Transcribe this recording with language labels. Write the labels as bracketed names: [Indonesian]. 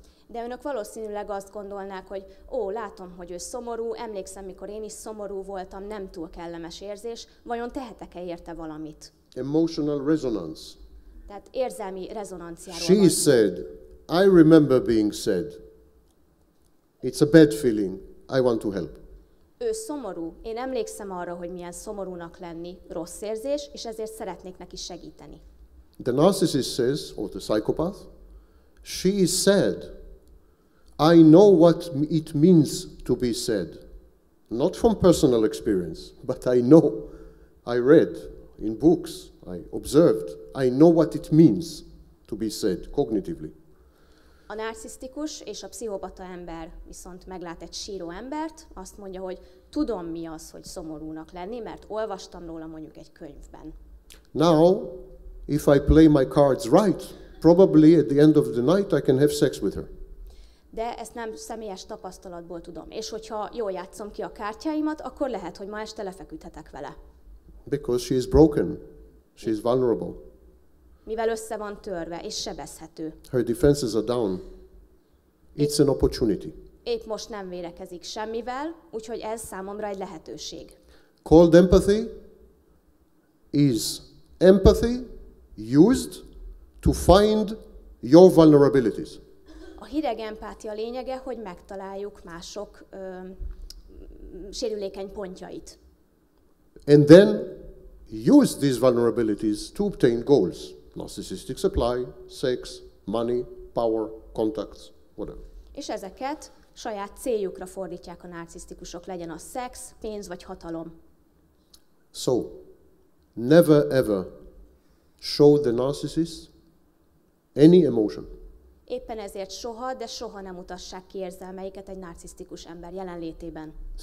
[Hungarian] De önök valószínűleg azt gondolnák, hogy ó, látom, hogy ő szomorú, emlékszem, mikor én is szomorú voltam, nem túl kellemes érzés, vajon tehetek-e érte valamit? [English] Emotional resonance. [Hungarian] Tehát érzelmi rezonanciáról. [English] She said, I remember being sad. It's a bad feeling. I want to help. [Hungarian] Ő szomorú. Én emlékszem arra, hogy milyen szomorúnak lenni, rossz érzés, és ezért szeretnék neki segíteni. [English] The narcissist says, or the psychopath, she is sad. I know what it means to be sad. Not from personal experience, but I know. I read in books, I observed. I know what it means to be sad cognitively. [Hungarian] A narcisztikus és a pszichopata ember viszont meglát egy síró embert, azt mondja, hogy tudom, mi az, hogy szomorúnak lenni, mert olvastam róla mondjuk egy könyvben. [English] Now, if I play my cards right, probably at the end of the night I can have sex with her. [Hungarian] De ezt nem személyes tapasztalatból tudom. És hogyha jól játszom ki a kártyáimat, akkor lehet, hogy ma este lefeküdhetek vele. [English] Because she is broken. She is vulnerable. [Hungarian] Mivel össze van törve és sebezhető. [English] Her defenses are down. It's an opportunity. [Hungarian] Épp most nem védekezik semmivel, úgyhogy ez számomra egy lehetőség. [English] Cold empathy is empathy used to find your vulnerabilities. [Hungarian] A hideg empátia lényege, hogy megtaláljuk mások sérülékeny pontjait. [English] And then use these vulnerabilities to obtain goals. Narcissistic supply, sex, money, power, contacts, whatever. [Hungarian] És ezeket saját céljukra fordítják a narcisztikusok, legyen a szex, pénz vagy hatalom. [English] So, never ever show the narcissist any emotion. [Hungarian] Éppen ezért soha, de soha nem mutassák ki érzelmeiket egy narcisztikus ember jelenlétében.